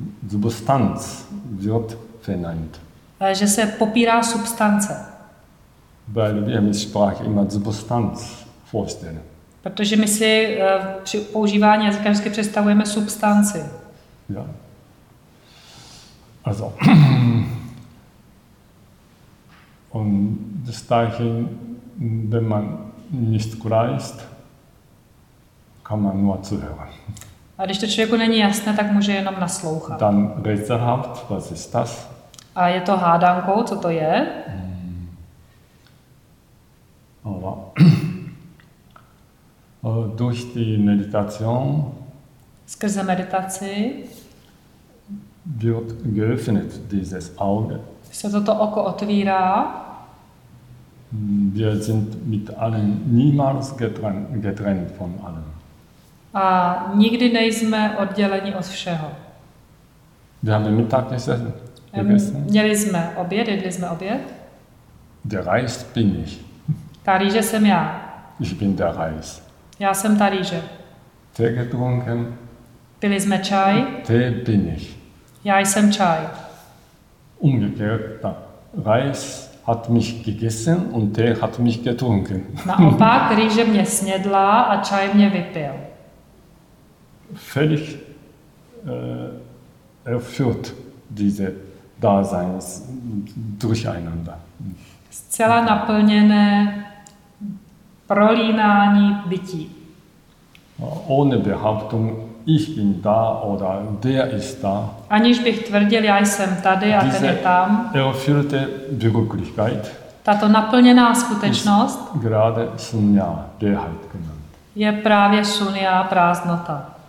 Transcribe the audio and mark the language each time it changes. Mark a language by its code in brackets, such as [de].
[de] Substanz wird verneint. [cs] Že se popírá substance. [de] Weil wir mit Sprache immer Substanz vorstellen. [cs] Protože my si při používání jazyka vždycky představujeme substanci. [de] Ja. Also. Und das dahin, wenn man nicht kreist, kann man nur zuhören. [cs] A když to člověku není jasné, tak může jenom naslouchat. [de] Dann Rätselhaft, was ist das? [cs] A je to hádankou, co to je? [de] Aber durch die Meditation [cs] skrze meditaci [de] wird geöffnet dieses Auge. [cs] Se toto oko otvírá. [de] Wir sind mit allem niemals getrennt von allem. [cs] A nikdy nejsme odděleni od všeho. [de] Haben wir Mittagessen gegessen? [cs] Měli jsme oběd, jedli jsme oběd. [de] Der Reis bin ich. [cs] Ta rýže jsem já. [de] Ich bin der Reis. [cs] Já jsem ta rýže. [de] Tee getrunken. [cs] Pili jsme čaj. [de] Tee bin ich. [cs] Já jsem čaj. [de] Umgekehrt, Reis hat mich gegessen und Tee hat mich getrunken. [cs] Naopak, rýže mě snědla a čaj mě vypil. [de] Völlig erfüllt diese Daseins durcheinander. [cs] Zcela naplněné prolínání bytí. [de] Ohne Behauptung, ich bin da oder der ist da. [cs] Aniž bych tvrdil, já jsem tady a ten je tam. [de] Erfüllte Wirklichkeit. [cs] Tato naplněná skutečnost. [de] Gerade Sunya, Leerheit genannt. [cs] Je právě Sunya, prázdnota.